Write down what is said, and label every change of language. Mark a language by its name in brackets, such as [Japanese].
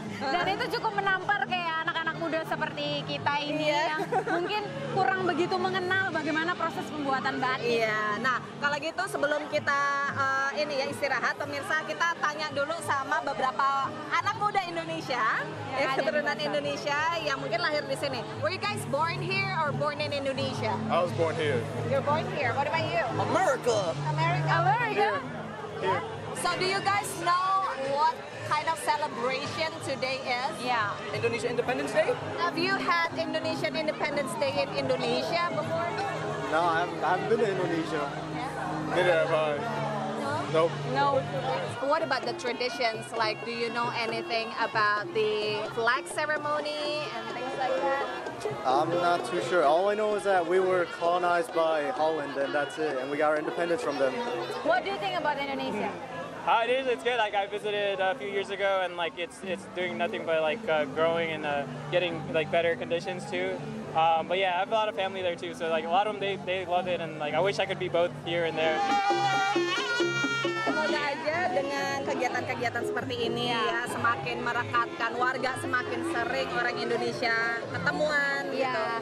[Indonesian] Dan itu cukup menampar kayak anak-anak muda seperti kita ini yang mungkin kurang begitu mengenal bagaimana proses pembuatan batik. Iya. Nah, kalau gitu sebelum kita ini ya istirahat, pemirsa, kita tanya dulu sama beberapa anak muda Indonesia, ya, keturunan Indonesia yang mungkin lahir di sini. [English] Were you guys born here or born in Indonesia? I was born here. You're born here. What about you? America. America. America. Here. Yeah. So do you guys know what kind of celebration today is? Yeah. Indonesia Independence Day? Have you had Indonesian Independence Day in Indonesia before? No, I haven't been to Indonesia. Yeah. Neither have I. No. What about the traditions? Like, do you know anything about the flag ceremony and things like that? I'm not too sure. All I know is that we were colonized by Holland, and that's it. And we got our independence from them. What do you think about Indonesia? It is. It's good. Like, I visited a few years ago, and like, it's doing nothing but like growing and getting like better conditions too. But yeah, I have a lot of family there too. So like, a lot of them they love it, and like, I wish I could be both here and there. [Indonesian] Semoga aja dengan kegiatan-kegiatan seperti ini ya semakin merekatkan warga, semakin sering orang Indonesia ketemuan gitu.